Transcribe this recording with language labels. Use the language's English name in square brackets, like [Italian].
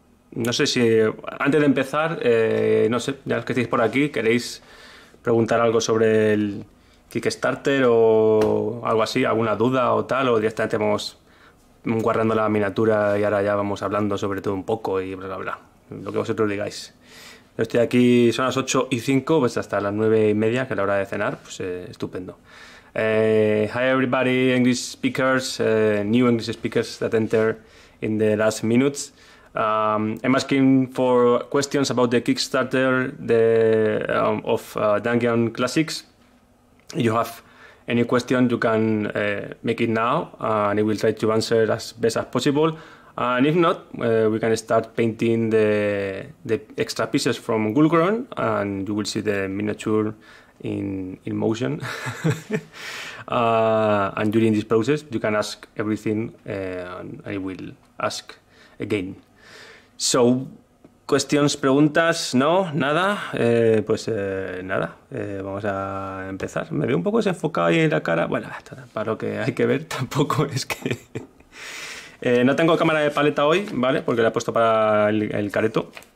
[Spanish] No sé si antes de empezar, no sé, ya que estáis por aquí, queréis preguntar algo sobre el Kickstarter o algo así, alguna duda o tal, o directamente vamos guardando la miniatura y ahora ya vamos hablando sobre todo un poco y bla, bla, bla, lo que vosotros digáis. Yo estoy aquí, son las 8 y 5, pues hasta las 9 y media, que es la hora de cenar, pues estupendo. [English] Hi everybody, English speakers, new English speakers that enter in the last minutes. I'm asking for questions about the Kickstarter of Dungeon Classics. If you have any question, you can make it now, and I will try to answer as best as possible. And if not, we can start painting the extra pieces from Gulgron, and you will see the miniature. In motion, and during this process, you can ask everything, and I will ask again. So, questions, [Spanish] preguntas, no, nada, pues nada, vamos a empezar. Me veo un poco desenfocado ahí en la cara. Bueno, para lo que hay que ver, tampoco es que. no tengo cámara de paleta hoy, ¿vale? Porque la he puesto para el careto.